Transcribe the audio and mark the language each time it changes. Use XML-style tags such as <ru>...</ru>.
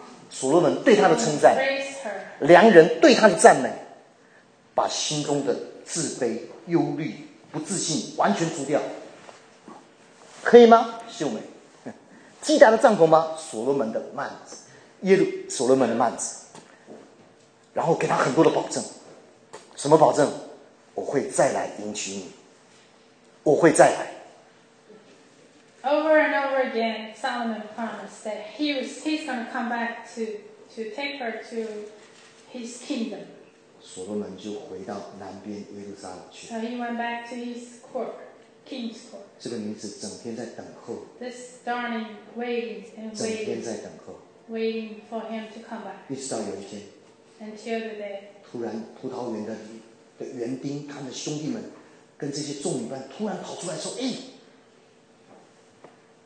<zh>所罗门对他的称赞，良人对他的赞美，把心中的自卑、忧虑、不自信完全除掉，可以吗？秀美，基达的帐篷吗？所罗门的幔子，所罗门的幔子，然后给他很多的保证，什么保证？我会再来迎娶你，我会再来。</zh> <en>Over and over again, Solomon promised that he's going to come back to take her to his kingdom.</en> <zh>所罗门就回到南边耶路撒冷去。</zh> <en>So he went back to his court, king's court.</en> <zh>这个女子整天在等候。</zh> <en>This darling waited and waited.</en> <zh>整天在等候。</zh> <en>Waiting for him to come back.</en> <zh>一直到有一天。</zh> <en>Until the day.</en> <zh>突然，葡萄园的园丁他的兄弟们跟这些众女伴突然跑出来说：“哎。”</zh>